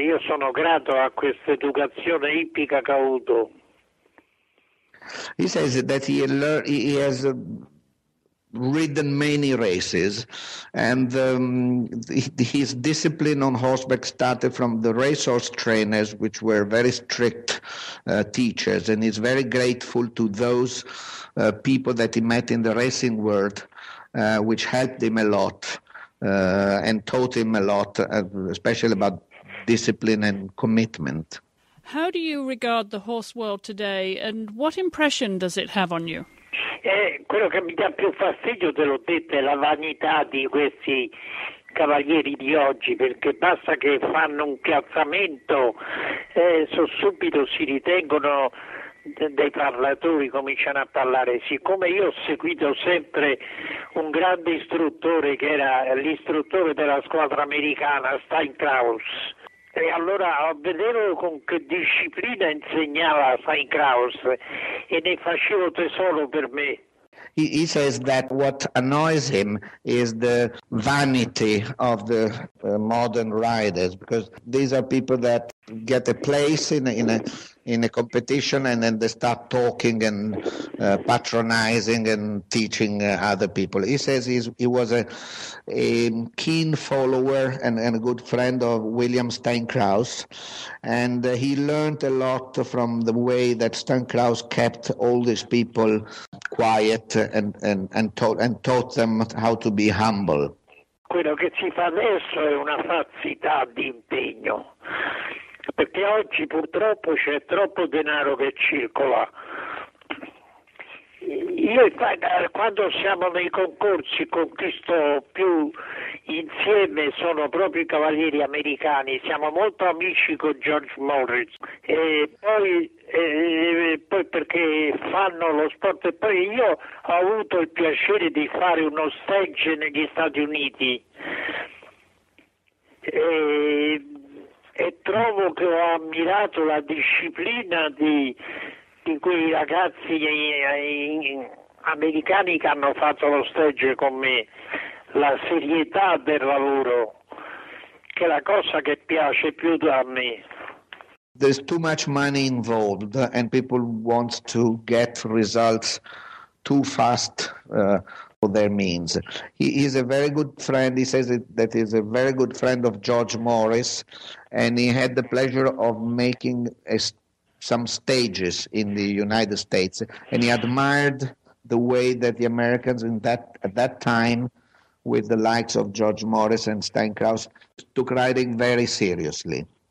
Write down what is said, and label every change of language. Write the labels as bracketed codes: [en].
[it] Io sono grato a questa educazione ippica che ho avuto. [en] He says that he has ridden many races, and his discipline on horseback started from the racehorse trainers, which were very strict teachers, and he's very grateful to those people that he met in the racing world, which helped him a lot and taught him a lot, especially about discipline and commitment. How do you regard the horse world today, and what impression does it have on you? [it] Quello che mi dà più fastidio, te l'ho detto, è la vanità di questi cavalieri di oggi, perché basta che fanno un piazzamento e subito si ritengono dei parlatori, cominciano a parlare. Siccome io ho seguito sempre un grande istruttore, che era l'istruttore della squadra americana, Steinkraus, e allora vedevo con che disciplina insegnava Steinkraus, e ne facevo tesoro per me. [en] He says that what annoys him is the vanity of the modern riders, because these are people that get a place in a competition, and then they start talking and patronizing and teaching other people. He says he was a keen follower and a good friend of William Steinkraus, and he learned a lot from the way that Steinkraus kept all these people quiet and taught them how to be humble. [it] Quello che si fa adesso è una falsità di impegno. Perché oggi purtroppo c'è troppo denaro che circola. Io, quando siamo nei concorsi, con chi sto più insieme sono proprio i cavalieri americani, siamo molto amici con George Morris, e poi perché fanno lo sport, e poi io ho avuto il piacere di fare uno stage negli Stati Uniti e trovo che ho ammirato la disciplina di quei ragazzi americani che hanno fatto lo stage con me, la serietà del lavoro, che è la cosa che piace più a me. [en] There's too much money involved and people want to get results too fast for their means. He is a very good friend, he says that he's a very good friend of George Morris, and he had the pleasure of making some stages in the United States, and he admired the way that the Americans at that time, with the likes of George Morris and Stan Krause, took riding very seriously.